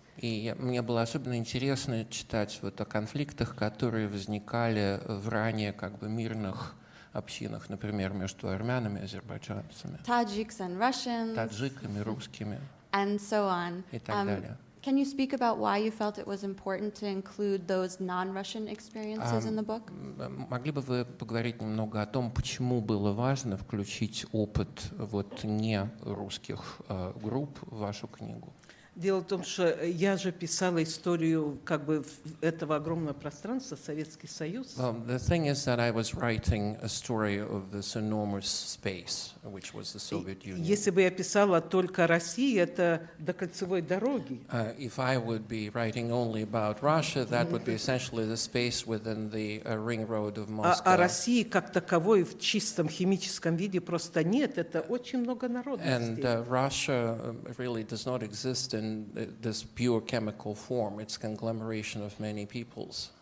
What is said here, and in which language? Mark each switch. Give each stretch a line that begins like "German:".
Russian: И мне было особенно интересно читать вот о конфликтах, которые возникали в ранее как бы мирных общинах, например, между армянами и азербайджанцами, таджиками, русскими,
English: and so on.
Russian: И так далее.
English: Can you speak about why you felt it was important to include those non-Russian experiences in the book?
Russian: Могли бы вы поговорить немного о том, почему было важно включить опыт вот не русских групп в вашу книгу? Дело в том, что я же писала историю как бы этого огромного пространства Советский Союз.
English: Well, the thing is that I was writing a story of this enormous space, which was the Soviet Union.
Russian: Если бы я писала только о России, это до кольцевой дороги.
English: If I would be writing only about Russia, that would be essentially the space within the ring road of Moscow.
Russian: А России как таковой в чистом химическом виде просто нет. Это очень много народностей.
English: And Russia really does not exist in this pure chemical form, its conglomeration of many peoples.